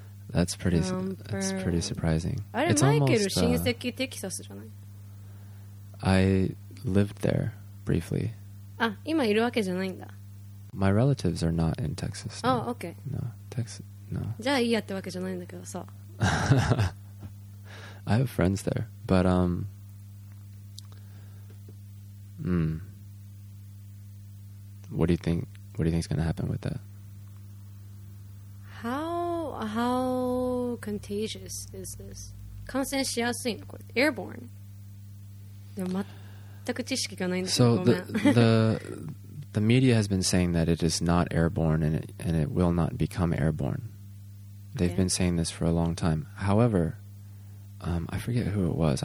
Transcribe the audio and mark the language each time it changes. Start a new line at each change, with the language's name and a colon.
English: that's pretty surprising.
Japanese: あれ、マイケル親戚テキサスじゃない？
English: I lived there briefly.
Japanese: あ、今いるわけじゃないんだ。
English: My relatives are not in Texas.
Japanese: あ、OK。
English: No, Texas. No.
Japanese: じゃあいいやってわけじゃないんだけどさ。
English: I have friends there, but What do you think? What do you think is going to happen with that? How contagious is this?
Japanese: 感染しやすいの？これ airborne。でも全く知識がないんですけど。
English: So the media has been saying that it is not airborne and it will not become airborne. They've been saying this for a long time. However, I forget who it was.